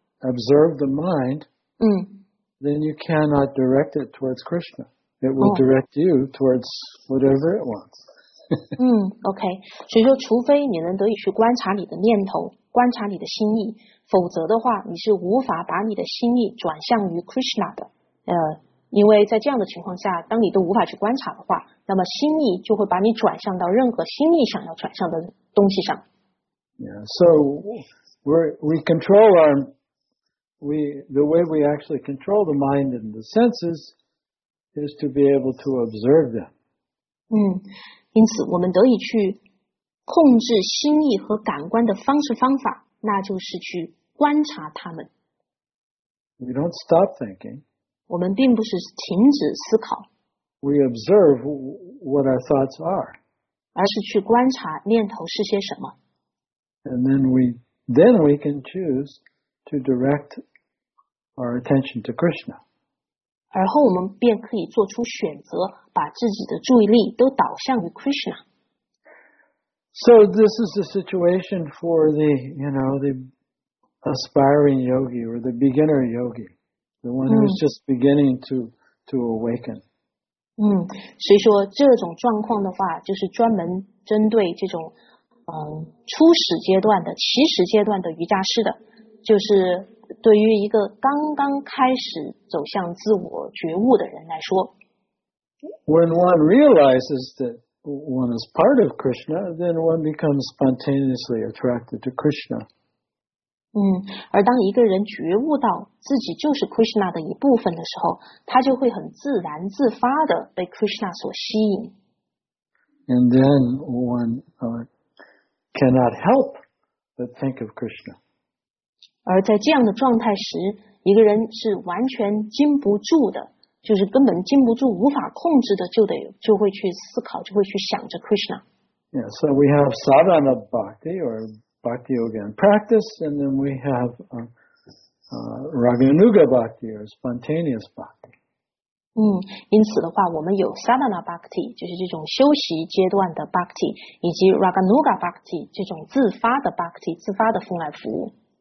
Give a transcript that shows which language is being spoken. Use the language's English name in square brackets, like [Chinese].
[English] observe the mind, then you cannot direct it towards Krishna. It will direct you towards whatever it wants. [Chinese] OK, 所以说除非你能得以去观察你的念头，观察你的心意，否则的话你是无法把你的心意转向于 Krishna 的。因为在这样的情况下，当你都无法去观察的话，那么心意就会把你转向到任何心意想要转向的东西上。 [English] Yeah, so we control our, the way we actually control the mind and the senses is to be able to observe them. [Chinese] 因此我们得以去控制心意和感官的方式方法，那就是去观察他们。 [English] We don't stop thinking. [Chinese] 我们并不是停止思考。 [English] We observe what our thoughts are. [Chinese] 而是去观察念头是些什么。 [English] And then we can choose to direct our attention to Krishna. [Chinese] 而后我们便可以做出选择，把自己的注意力都导向于 Krishna。 [English] So this is the situation for the, you know, the aspiring yogi or the beginner yogi, the one who's just beginning to awaken. [Chinese] 所以说这种状况的话，就是专门针对这种初始阶段的、起始阶段的瑜伽师的。就是对于一个刚刚开始走向自我觉悟的人来说。 [English] When one realizes that one is part of Krishna, then one becomes spontaneously attracted to Krishna. [Chinese] 而当一个人觉悟到自己就是 Krishna 的一部分的时候，他就会很自然自发的被 Krishna 所吸引。 [English] And then one cannot help but think of Krishna. [Chinese] 而在这样的状态时，一个人是完全禁不住的，就是根本禁不住，无法控制的，就会去思考，就会去想着 Krishna. [English] Yeah, so we have sadhana bhakti or bhakti yoga and practice, and then we have raganuga bhakti or spontaneous bhakti. [Chinese] 因此的话，我们有 sadhana bhakti, 就是这种休息阶段的 bhakti, 以及 raganuga bhakti, 这种自发的 bhakti, 自发的奉来服务。